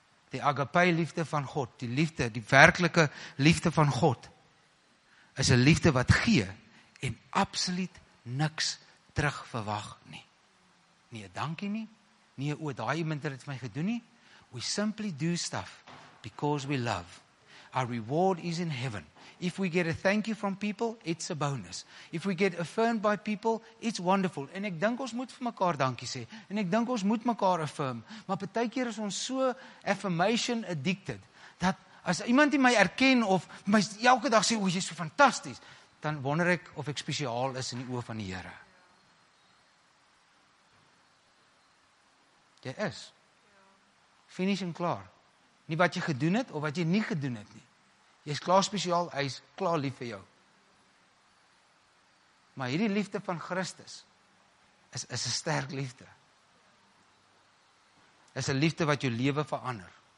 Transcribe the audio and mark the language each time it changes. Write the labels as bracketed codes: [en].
[af] Die agape liefde van God, die liefde, die werklike liefde van God, is 'n liefde wat gee en absoluut niks terug verwag nie. Nie 'n dankie nie, nie 'n o, daai iemand het vir my gedoen nie. [en] We simply do stuff because we love. Our reward is in heaven. If we get a thank you from people, it's a bonus. If we get affirmed by people, it's wonderful. [af] En ek dink ons moet vir mekaar dankie sê. En ek dink ons moet mekaar affirm. Maar partykeer is ons so [en] affirmation addicted, [af] dat as iemand die my erken of my elke dag sê, o, jy is so fantastisch, dan wonder ek of ek spesiaal is in die oog van die Here. Jy is. Finish en klaar. Nie wat jy gedoen het, of wat jy nie gedoen het nie. Jy is klaar spesiaal, hy is klaar lief vir jou. Maar hierdie liefde van Christus, is een sterk liefde. Is een liefde wat jou leven verander.